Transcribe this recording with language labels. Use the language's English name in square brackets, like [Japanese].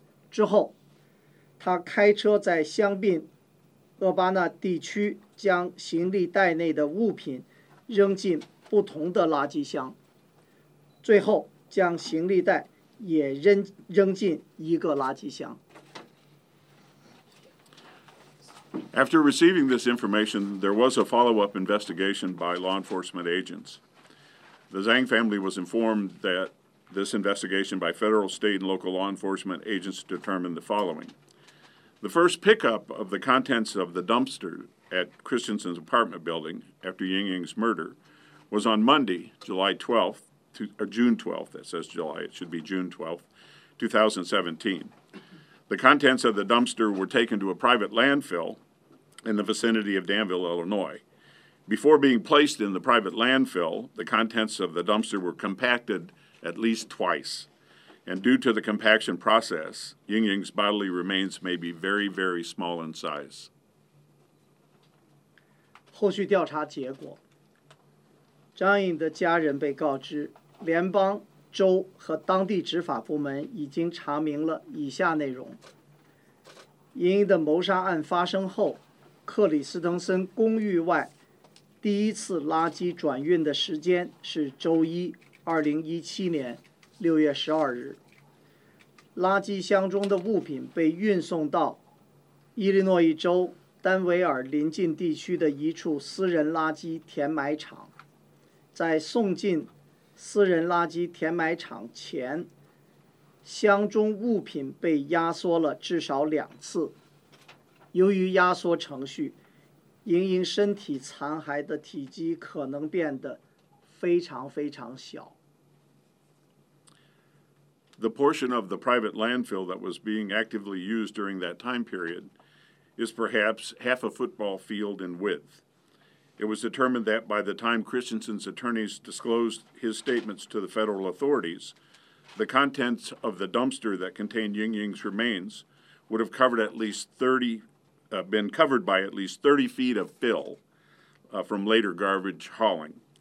[Chinese] 之后，他开车在香槟厄巴纳地区将行李袋内的物品扔进不同的垃圾箱，最后将行李袋也扔进一个垃圾箱。 [English] After receiving this information, there was a follow-up investigation by law enforcement agents. The Zhang family was informed that this investigation by federal, state, and local law enforcement agents determined the following. The first pickup of the contents of the dumpster at Christensen's apartment building after Yingying's murder was on Monday, June 12th, 2017. The contents of the dumpster were taken to a private landfill in the vicinity of Danville, Illinois. Before being placed in the private landfill, the contents of the dumpster were compacted at least twice. And due to the compaction process, Yingying's bodily remains may be very, very small in size. [Chinese] 后续调查结果，张颖的家人被告知，联邦、州和当地执法部门已经查明了以下内容。莹莹的谋杀案发生后，克里斯登森公寓外第一次垃圾转运的时间是周一，2017年6月12日。垃圾箱中的物品被运送到伊利诺伊州丹维尔临近地区的一处私人垃圾填埋场。在送进私人垃圾填埋场前，箱中物品被压缩了至少两次。由于压缩程序，莹莹身体残骸的体积可能变得非常非常小。 [English] The portion of the private landfill that was being actively used during that time period is perhaps half a football field in width. It was determined that by the time Christensen's attorneys disclosed his statements to the federal authorities, the contents of the dumpster that contained Yingying's remains would have covered at least 30 been covered by at least 30 feet of fill from later garbage hauling.